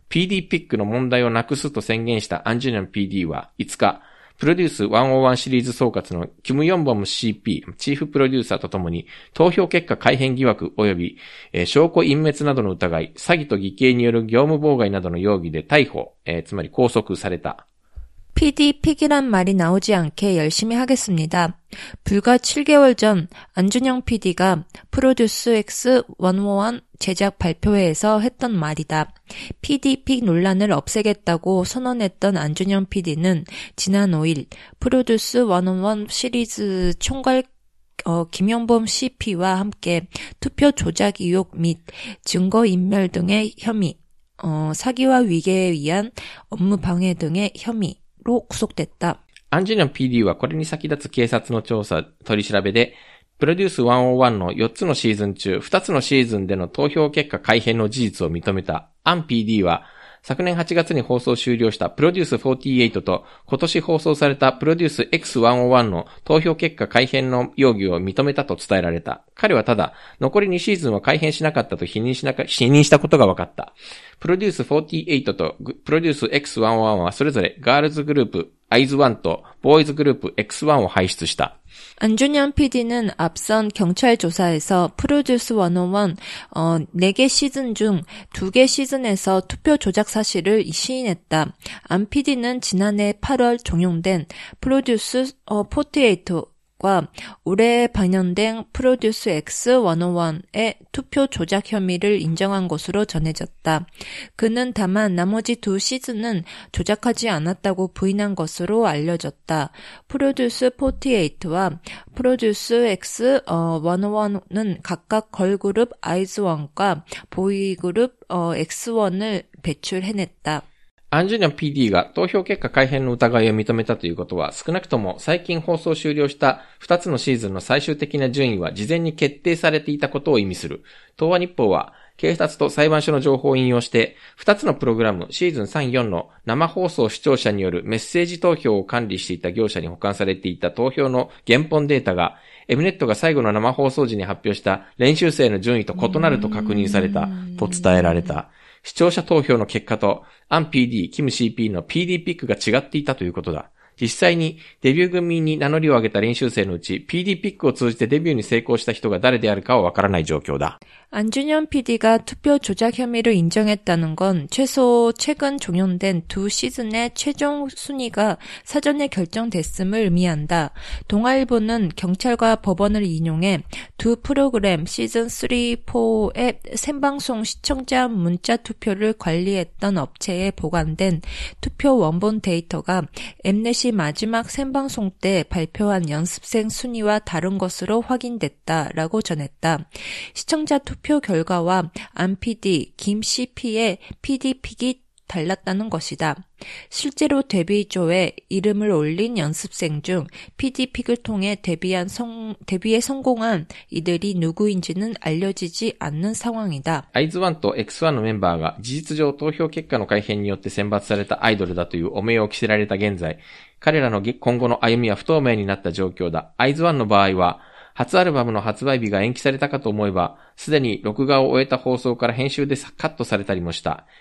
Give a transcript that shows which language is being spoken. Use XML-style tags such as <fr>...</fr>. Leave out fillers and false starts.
<ja>PD ピックの問題をなくすと宣言したアンジュニョン PD は、5日、プロデュース101シリーズ総括のキム・ヨンボム CP、チーフプロデューサーとともに、投票結果改変疑惑及び、証拠隠滅などの疑い、詐欺と偽計による業務妨害などの容疑で逮捕、つまり拘束された。</ja> <ko>PD 픽이란 말이 나오지 않게 열심히 하겠습니다. 불과 7개월 전 안준영 PD가 프로듀스 X101 제작 발표회에서 했던 말이다. PD 픽 논란을 없애겠다고 선언했던 안준영 PD는 지난 5일 프로듀스 101 시리즈 총괄 김영범 CP와 함께 투표 조작 의혹 및 증거 인멸 등의 혐의, 사기와 위계에 의한 업무 방해 등의 혐의, ロ구속됐다。</ko> <ja>アンジュニョン PD はこれに先立つ警察の調査、取り調べで、プロデュース101の4つのシーズン中、2つのシーズンでの投票結果改変の事実を認めた。アン PD は、昨年8月に放送終了したプロデュース48と、今年放送されたプロデュース X101 の投票結果改変の容疑を認めたと伝えられた。彼はただ、残り2シーズンは改変しなかったと否認したことが分かった。プロデュース48とプロデュース X101 はそれぞれガールズグループ、アイズワンとボーイズグループ X1 を輩出した。</ja> <ko>アンジュニョン PD는 앞선 경찰 조사에서 프로듀스 101 4개 시즌 중 2개 시즌에서 투표 조작 사실을 시인했다. 안 PD는 지난해 8월 종용된 프로듀스 48과 올해 방영된 프로듀스 X101의 투표 조작 혐의를 인정한 것으로 전해졌다. 그는 다만 나머지 두 시즌은 조작하지 않았다고 부인한 것으로 알려졌다. 프로듀스 48와 프로듀스 X101은 각각 걸그룹 아이즈원과 보이그룹 X1을 배출해냈다.</ko> <ja>アンジュニョン PD が投票結果改変の疑いを認めたということは、少なくとも最近放送終了した2つのシーズンの最終的な順位は事前に決定されていたことを意味する。東亜日報は、警察と裁判所の情報を引用して、2つのプログラム、シーズン3、4の生放送視聴者によるメッセージ投票を管理していた業者に保管されていた投票の原本データが、エムネットが最後の生放送時に発表した練習生の順位と異なると確認されたと伝えられた。視聴者投票の結果とアン PD、キム CP の PD ピックが違っていたということだ。実際にデビュー組に名乗りを上げた練習生のうち PD ピックを通じてデビューに成功した人が誰であるかはわからない状況だ。</ja> <ko>アンジュニョン PD가 투표조작혐의를인정했다는건최소최근종영된두시즌의최종순위가사전에결정됐음을의미한다동아일보는경찰과법원을인용해두프로그램시즌3,4의생방송시청자문자투표를관리했던업체에보관된투표원본데이터가 Mnet 이마지막생방송때발표한연습생순위와다른것으로확인됐다라고전했다시청자투표결과와안 PD, 김 CP 의 PD 픽이달랐다는것이다실제로데뷔조에이름을올린연습생중 PD 픽을통해데뷔에성공한이들이누구인지는알려지지않는상황이다</ko> <ja>아이즈1と X1</ja> <ko>의멤버가</ko> <ja>事実上投票結果の改変によって選抜されたアイドルだという汚名を着せられた現在彼らの今後の歩みは不透明になった状況だアイズ1の場合は初アルバムの発売日が延期されたかと思えば、すでに録画を終えた放送から編集でカットされたりもした。</ja>